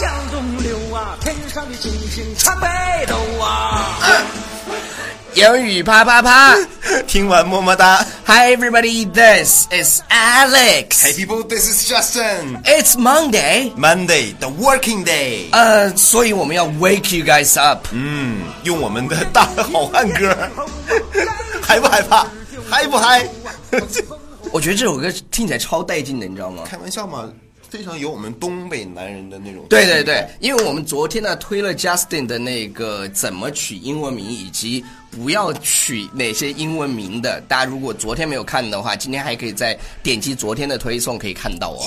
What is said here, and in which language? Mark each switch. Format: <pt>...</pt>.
<zh>风流啊，天上的星星穿北斗啊。英语啪啪啪，听完么么哒。</zh> <en>Hi everybody, this is Alex. Hey people, this is Justin. It's Monday. Monday, the working day.</en> <zh>所以我们要</zh> <en>wake you guys up.</en> <zh>用我们的大好汉歌，害不害怕？嗨不嗨？我觉得这首歌听起来超带劲的，你知道吗？开玩笑吗？非常有我们东北男人的那种。对对对，因为我们昨天呢推了 Justin 的那个怎么取英文名以及不要取哪些英文名的，大家如果昨天没有看的话，今天还可以再点击昨天的推送可以看到哦。</zh>